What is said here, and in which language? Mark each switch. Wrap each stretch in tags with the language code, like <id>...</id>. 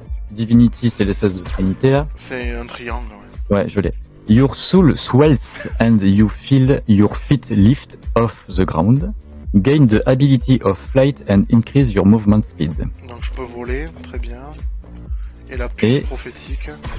<fr>Divinity, c'est l'espèce de trinité, là. C'est un triangle, ouais. Ouais, je l'ai.</fr> <en>Your soul swells and you feel your feet lift off the ground. Gain the ability of flight and increase your movement speed.</en> <fr>Donc je peux voler, très bien. Et la puce et, prophétique.</fr>